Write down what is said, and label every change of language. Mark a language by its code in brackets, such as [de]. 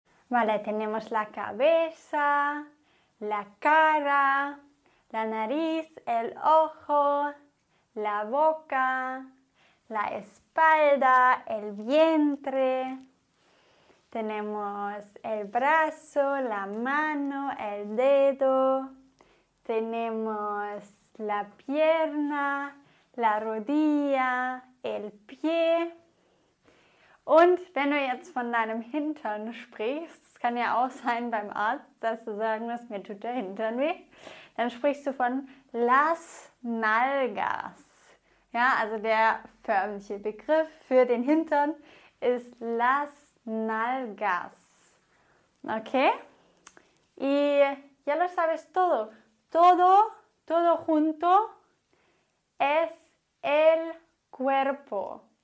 [es] Vale, tenemos la cabeza, la cara, la nariz, el ojo, la boca, la espalda, el vientre. Tenemos el brazo, la mano, el dedo. Tenemos la pierna, la rodilla, el pie. [de] Und wenn du jetzt von deinem Hintern sprichst, es kann ja auch sein beim Arzt, dass du sagen musst, mir tut der Hintern weh, dann sprichst du von las nalgas. Ja, also der förmliche Begriff für den Hintern ist las nalgas. [es] Okay? Y ya lo sabes todo. Todo, todo junto es el cuerpo.